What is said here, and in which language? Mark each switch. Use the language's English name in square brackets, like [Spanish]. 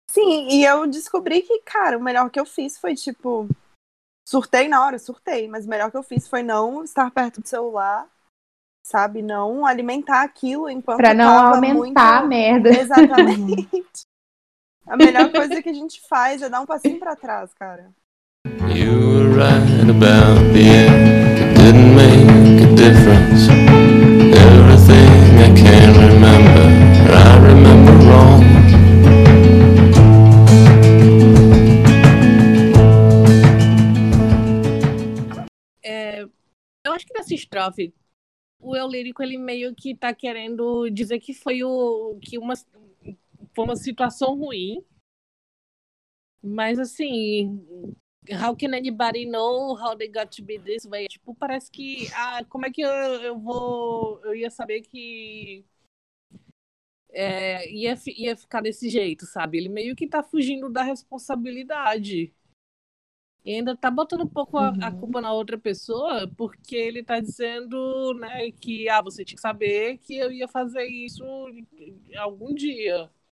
[Portuguese] Sim, e eu descobri que, cara, o melhor que eu fiz foi, tipo... Surtei na hora, surtei. Mas o melhor que eu fiz foi não estar perto do celular... Sabe, não alimentar aquilo enquanto pra não tava aumentar muito... a merda. Exatamente. A melhor coisa que a gente faz é dar um passinho pra trás, cara. [English] You were right about the end. It didn't make a difference. Everything I can remember, I remember wrong. [Portuguese] Eu acho que nessa estrofe. O eu lírico, ele meio que tá querendo dizer que foi uma situação ruim. Mas, assim, [English] how can anybody know how they got to be this way? [Portuguese] Tipo, parece que... Ah, como é que eu ia saber que ia ficar desse jeito, sabe? Ele meio que tá fugindo da responsabilidade. E ainda tá botando um pouco a culpa na outra pessoa, porque ele tá dizendo, né, que você tinha que saber que eu ia fazer isso algum dia.